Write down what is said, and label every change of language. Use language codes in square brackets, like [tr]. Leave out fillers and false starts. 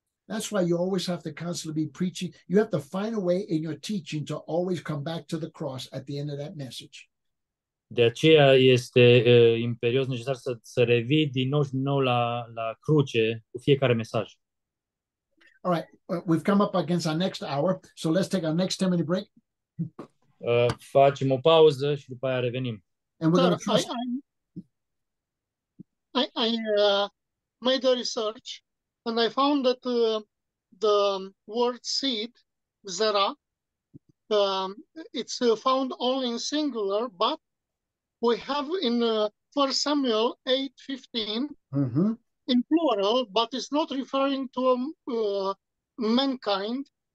[en] That's why you always have to constantly be preaching. You have to find a way in your teaching to always come back to the cross at the end of that message. [ro] De aceea este imperios necesar să revii din nou la cruce cu fiecare mesaj. [en] All right, we've come up against our next hour, so let's take our next 10-minute break. [ro] Facem o pauză și după aia revenim. [en] And we're going to trust. I made a research and I found that the word seed, zera, it's found only in singular, but we have in 1 Samuel 8:15 in plural, but it's not referring to mankind.